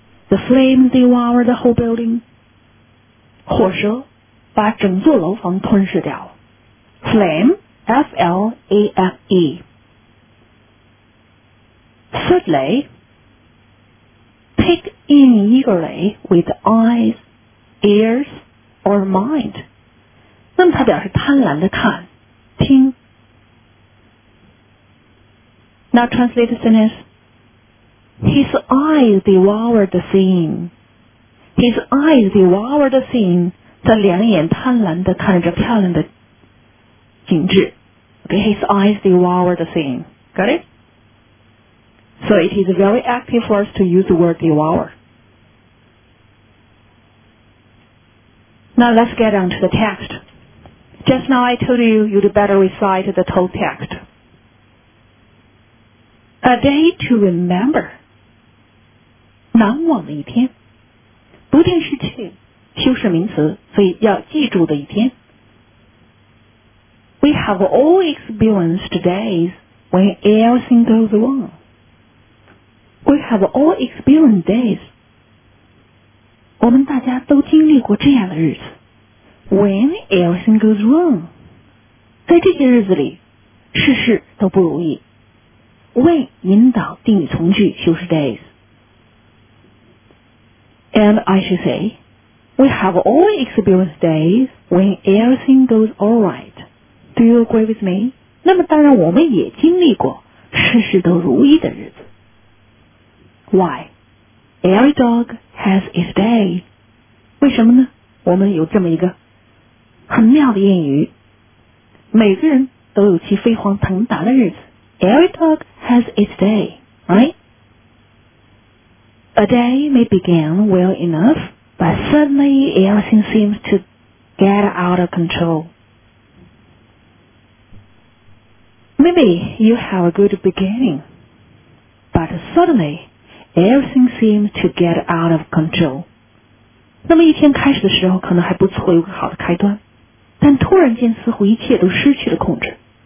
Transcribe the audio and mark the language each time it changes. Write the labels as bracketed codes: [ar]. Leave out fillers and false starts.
[en] The flames devoured the whole building. [zh] 火蛇把整座楼房吞噬掉。 [en] Flame, F-L-A-M-E. Thirdly, take in eagerly with eyes, ears, or mind. [zh] 那么它表示贪婪的看、听。 [en] Now translate the sentence. His eyes devoured the scene. His eyes devoured the scene. 他两眼贪婪地看着漂亮的景致。 Okay, his eyes devoured the scene. Got it? So it is very active for us to use the word devour. Now let's get on to the text. Just now I told you you'd better recite the whole text. A day to remember. [zh] 难忘的一天，不定式去修饰名词，所以要记住的一天。 [en] We have all experienced days when everything goes wrong. We have all experienced days. [zh] 我们大家都经历过这样的日子。 [en] When everything goes wrong. [zh] 在这些日子里，事事都不如意。 When 引导定语从句修饰 days. [en] And I should say, we have all experienced days when everything goes all right. Do you agree with me? [zh] 那么当然我们也经历过事事都如意的日子。 [en] Why? Every dog has its day. [zh] 为什么呢？我们有这么一个很妙的谚语。每个人都有其飞黄腾达的日子。 [en] Every dog has its day, right? A day may begin well enough, but suddenly everything seems to get out of control. Maybe you have a good beginning, but suddenly everything seems to get out of control. [zh] 那么一天开始的时候可能还不错，有个好的开端，但突然间似乎一切都失去了控制。